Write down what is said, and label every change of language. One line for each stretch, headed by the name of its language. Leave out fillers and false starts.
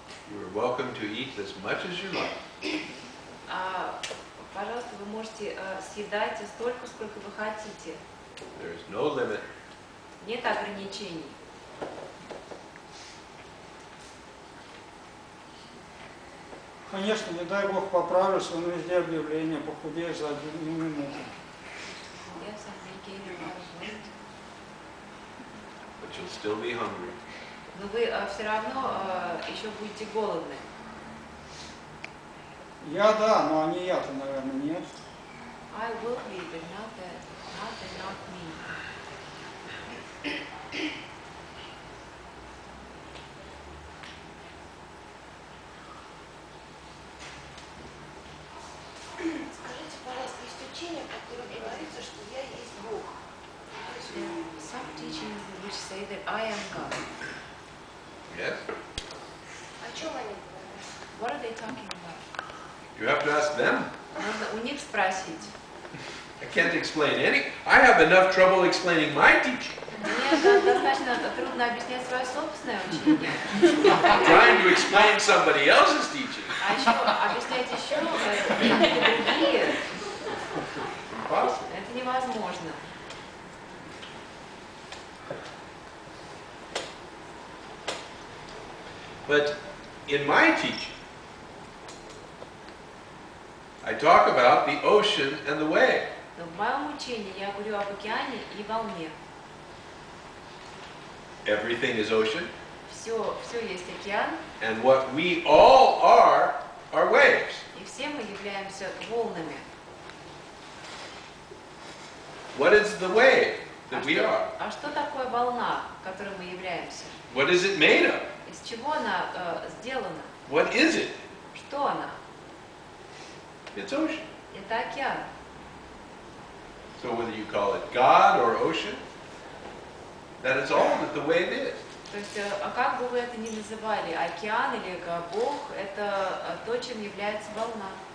English: You are welcome to eat as much as you like.
Russian: Пожалуйста, вы можете съедать столько, сколько вы хотите.
English: There is no limit.
Russian: Нет ограничений. Конечно, не дай бог поправлюсь, он везде объявление, похудеешь за одну минуту.
English: Yes, I think you are right. But you'll still be hungry.
Russian: Но вы все равно еще будете голодны. Я да, но не я-то, наверное, нет.
English: I will be, but not me.
Russian: Скажите, пожалуйста, есть учение, которое говорится, что я есть Бог.
English: Some teachings which say that I am God. Yes. What are they talking about? You have to ask them.
Russian: У них спросить.
English: I can't explain any. I have enough trouble explaining my teaching.
Russian: Мне достаточно трудно объяснять свое собственное учение.
English: I'm trying to explain somebody else's teaching.
Russian: А еще объяснять еще другие.
English: Impossible.
Russian: Это невозможно.
English: But in my teaching, I talk about the ocean and the wave.
Russian: В моем учении я говорю об океане и волне.
English: Everything is ocean.
Russian: Все есть океан.
English: And what we all are waves.
Russian: И все мы являемся волнами.
English: What is the wave that we are?
Russian: А что такое волна, которой мы являемся?
English: What is it made of?
Russian: Из чего она сделана?
English: What is it?
Russian: Что она?
English: it's ocean.
Russian: Это океан.
English: So whether you call it God or ocean, that is all that the wave is.
Russian: То есть, а как бы вы это ни называли, океан или Бог, это то, чем является волна.